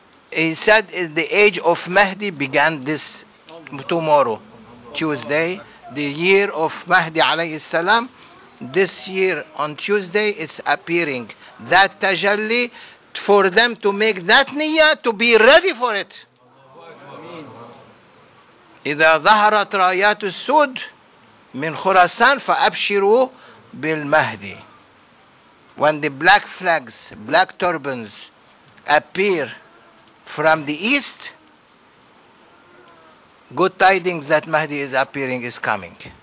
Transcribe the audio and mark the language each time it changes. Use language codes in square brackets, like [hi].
[en] He said is the age of Mahdi began this tomorrow, Tuesday, the year of Mahdi alayhi salam. This year on Tuesday it's appearing that tajalli for them to make that niyyah to be ready for it. [ar] إذا ظهرت رايات السود من خراسان فأبشروا بالمهدي. [en] When the black flags, black turbans appear from the east, good tidings that Mahdi is appearing is coming.